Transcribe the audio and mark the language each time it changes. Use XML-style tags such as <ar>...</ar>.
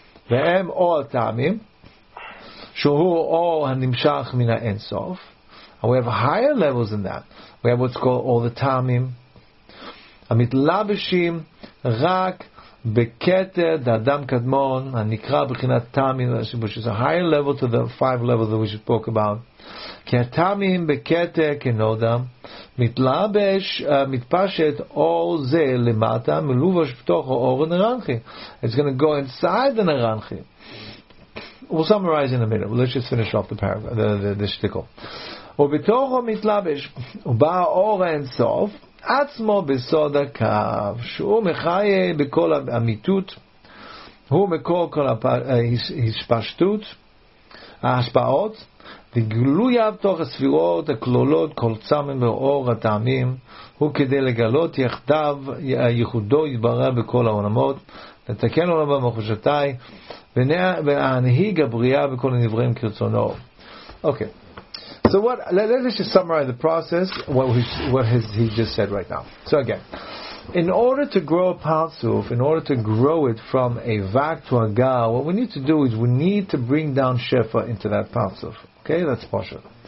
<he>והם או הטעמים, שהוא או הנמשך מן האינסוף.</he> <en>We have higher levels than that. We have what's called all the טעמים.</en> <he>המתלבשים רק בקטר דאדם קדמון, הנקרא בחינת טעמים,</he> <en>which is a higher level to the five levels that we should talk about.</en> <he>כי הטעמים בקטר כנודם, מתלבש, מתפשט אור זה למטה, מלובש בתוך האור הנרנחי.</he> <en>It's going to go inside the נרנחי. We'll summarize in a minute. Let's just finish off the paragraph, the shtickle.</en> <he>ובתוכו מתלבש, ובא האור אינסוף, עצמו בסוד הקו, שהוא מחיה בכל האמיתות, הוא מקור כל ההשפשטות, ההשפעות, וגלויה בתוך הספירות הכלולות כל צמם ואור הטעמים, הוא כדי לגלות יחדיו, ייחודו יתברר בכל העולמות, לתקן עולם במחושתי, והנהיג הבריאה בכל הנבראים כרצונו.</he> <en>אוקיי. Okay. So what? Let's just summarize the process. What has he just said right now? So again, in order to grow a paltsuf, in order to grow it from a vak to a gal, what we need to do is we need to bring down shefa into that paltsuf. Okay, that's poshut.</en>